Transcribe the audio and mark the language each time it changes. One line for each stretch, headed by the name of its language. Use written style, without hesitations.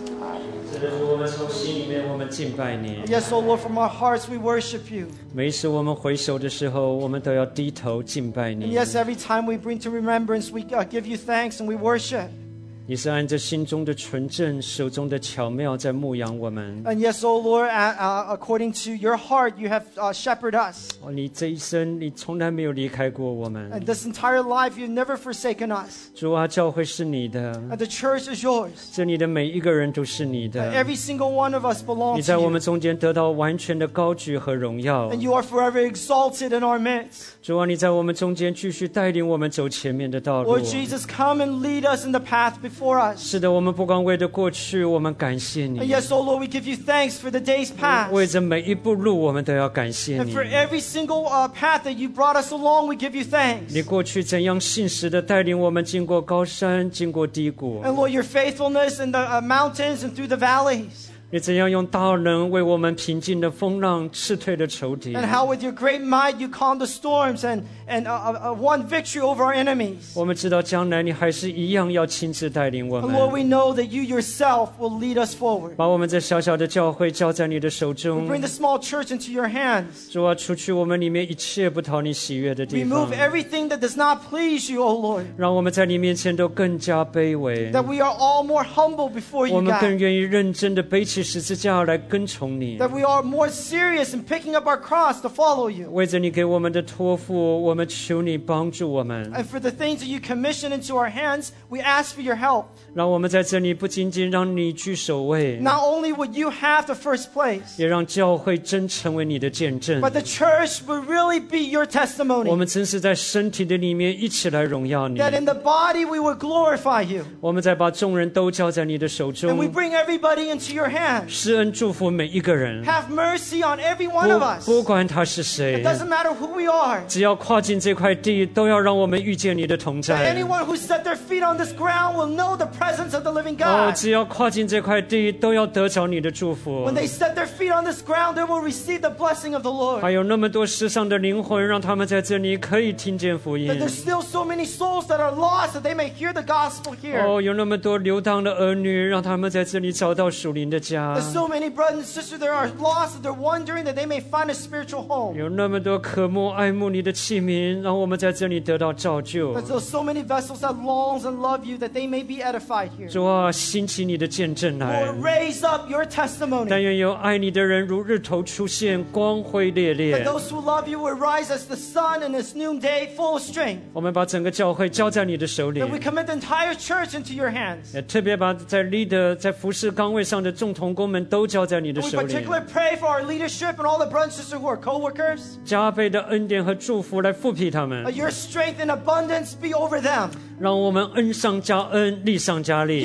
English: Yes, O Lord, from our hearts we worship you.
Chinese: 每一次我们回首的时候，我们都要低头敬拜你。
English: Yes, every time we bring to remembrance, we give you thanks and we worship.
Chinese: 你是按着心中的纯正，手中的巧妙在牧养我们。
English: And yes, O Lord, according to your heart, you have shepherded us.
Chinese: 你这一生，你从来没有离开过我们。
English: And this entire life, you've never forsaken us.
Chinese: 主啊，教会是你的。
English: And the church is yours.
Chinese: 这里的每一个人都是你的。
English: Every single one of us belongs to you.
Chinese: 你在我们中间得到完全的高举和荣耀。
English: And you are forever exalted in our midst.
Chinese: 主啊，你在我们中间继续带领我们走前面的道路。
English: Lord Jesus, come and lead us in the path before for us.
Chinese: 是的，我们不光为着过去，我们感谢你。
English: Yes, O Lord, we give you thanks for the days past.
Chinese: 为着每一步路，我们都要感谢你。
English: And for every single path that you brought us along, we give you thanks.
Chinese: 你过去怎样信实的带领我们经过高山，经过低谷。
English: And Lord, your faithfulness in the mountains and through the valleys.
Chinese: 你怎样用大能为我们平静的风浪，斥退的仇敌。
English: And how with your great might you calm the storms and won victory over our enemies.
Chinese: 我们知道将来你还是一样要亲自带领我们。
English: And Lord, we know that you yourself will lead us forward.
Chinese: 把我们这小小的教会交在你的手中。
English: Bring the small church into your hands.
Chinese: 主啊，除去我们里面一切不讨你喜悦的地方。
English: Remove everything that does not please you, O Lord.
Chinese: 让我们在你面前都更加卑微。
English: That we are all more humble before you, God.
Chinese: 我们更愿意认真地背起十字架来跟从你。
English: That we are more serious in picking up our cross to follow you.
Chinese: 为着你给我们的托付，我们求你帮助我们。
English: And for the things that you commission into our hands, we ask for your help.
Chinese: 让我们在这里不仅仅让你居首位。
English: Not only would you have the first place,
Chinese: 也让教会真成为你的见证。
English: But the church would really be your testimony.
Chinese: 我们真是在身体的里面一起来荣耀你。
English: That in the body we would glorify you.
Chinese: 我们在把众人都交在你的手中。
English: And we bring everybody into your hands.
Chinese: 施恩祝福每一个人。
English: Have mercy on every one of us.
Chinese: 不管他是谁。
English: It doesn't matter who we are.
Chinese: 只要跨进这块地，都要让我们遇见你的同在。
English: Anyone who set their feet on this ground will know the presence of the living God.
Chinese: 只要跨进这块地，都要得着你的祝福。
English: When they set their feet on this ground, they will receive the blessing of the Lord.
Chinese: 还有那么多世上的灵魂，让他们在这里可以听见福音。
English: But there's still so many souls that are lost that they may hear the gospel here.
Chinese: 有那么多流浪的儿女，让他们在这里找到属灵的家。
English: There's so many brothers and sisters that are lost that they're wandering that they may find a spiritual home.
Chinese: 有那么多渴慕爱慕你的器皿。让我们在这里得到造就。
English: But there are so many vessels that long and love you that they may be edified here.
Chinese: 主啊，兴起你的见证来。
English: Lord, raise up your testimony.
Chinese: 但愿有爱你的人如日头出现，光辉烈烈。
English: That those who love you will rise as the sun in this noonday, full of strength.
Chinese: 我们把整个教会交在你的手里。
English: That we commit the entire church into your hands.
Chinese: 也特别把在 leader 在服事岗位上的众同。同工们都交在你的手里。
English: We particularly pray for our leadership and all the brothers and sisters who are co-workers.
Chinese: 加倍的恩典和祝福来覆庇他们。
English: Your strength and abundance be over them.
Chinese: 让我们恩上加恩，力上加力。